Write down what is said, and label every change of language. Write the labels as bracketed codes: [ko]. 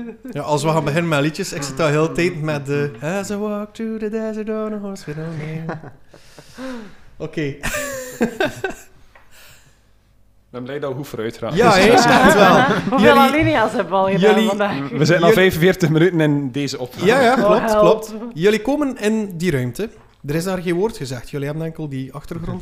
[nl] Ja, als we gaan beginnen met liedjes, ik zit al heel tijd met de... [en] As I walk through the desert on a horse with a mane. [nl] Oké. Ik ben blij dat we hoeven uitgaan. Ja, dus ja, echt wel. Hoeveel alinea's hebben we al gedaan vandaag? We zijn al 45 minuten in deze opname. Ja, ja, klopt, klopt. Jullie komen in die ruimte. Er is daar geen woord gezegd. Jullie hebben enkel die achtergrond.